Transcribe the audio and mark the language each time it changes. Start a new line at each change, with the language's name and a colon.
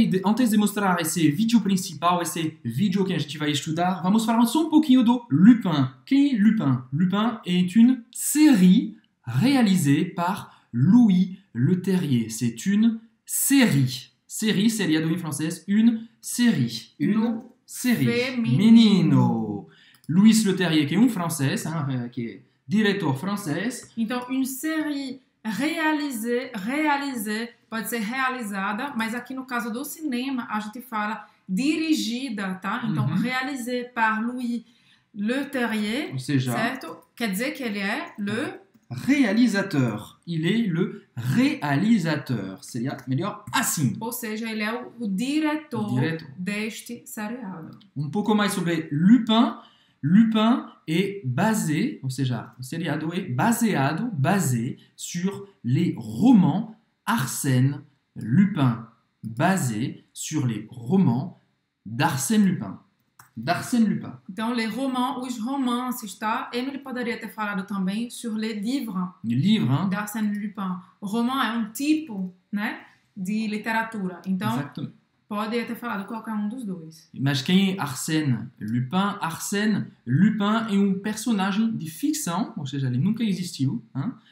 Portuguese: Antes de mostrar esse vídeo principal, esse vídeo que a gente vai estudar, vamos falar só um pouquinho do Lupin. Quem é Lupin? Lupin é uma série realizada por Louis Leterrier. É uma série. Série, seriado em francês,
French: une série. Une série.
Portuguese: Menino.
French: Louis Leterrier, qui est un français, qui est directeur français. Donc, une série réalisée, peut être réalisée, mais ici,
Portuguese: no caso do cinéma, a gente fala dirigida, tá? Então,
French: réalisée par Louis Leterrier,
Portuguese: certo? Quer dizer
French: qu'il est le réalisateur. Il est le réalisateur.
Portuguese: Seria melhor assim. Ou seja,
French: il est le directeur
Portuguese: deste seriado.
French: Un peu
Portuguese: mais sobre Lupin.
French: Lupin est basé,
Portuguese: ou seja, o seriado
French: est basé sur les romans Arsène Lupin. Basé sur les romans d'Arsène Lupin. D'Arsène Lupin. Donc les romans,
Portuguese: os romances, tá? Emily poderia ter falado também
French: sur les livres. Livres, hein? D'Arsène Lupin. Roman est un type,
Portuguese: né? De literatura. Então,
French: exactement.
Portuguese: Pode ter falado qualquer dos dois. Mas quem é Arsène Lupin? Arsène Lupin é personagem de ficção, ou seja, ele nunca existiu. Hein?